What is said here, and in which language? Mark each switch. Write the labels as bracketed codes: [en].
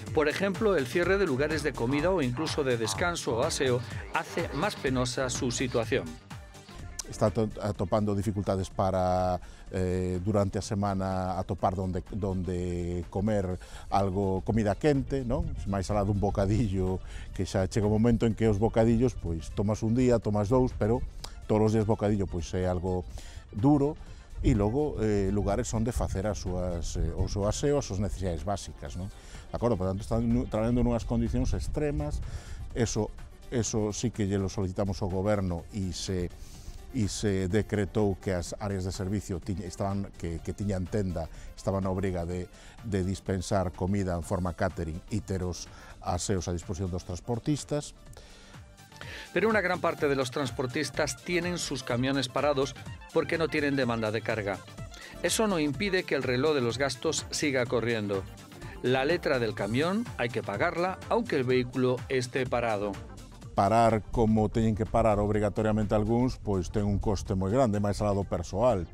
[es] Por ejemplo, el cierre de lugares de comida o incluso de descanso o aseo hace más penosa su situación. Está topando dificultades para durante la semana atopar donde comer algo, [gl] comida quente, [es] ¿no? [gl] Si máis alá dun bocadillo, que xa chega o momento en que os bocadillos, pois tomas un día, tomas dous, pero todos os días bocadillo, pois é algo duro. E logo, lugares onde facer as súas, o seu aseo, as súas necesidades básicas, ¿no? De acordo, por tanto, están traendo nunhas condicións extremas. [es] Eso sí que lo solicitamos [gl] ao goberno e se decretou que as áreas de servicio que tiñan tenda estaban na obriga de dispensar comida en forma catering e ter os aseos a disposición dos transportistas. [es] Pero una gran parte de los transportistas tienen sus camiones parados porque no tienen demanda de carga. Eso no impide que el reloj de los gastos siga corriendo. La letra del camión hay que pagarla aunque el vehículo esté parado. [gl] Parar como teñen que parar obrigatoriamente algúns, pois ten un coste moi grande, máis alá do persoal.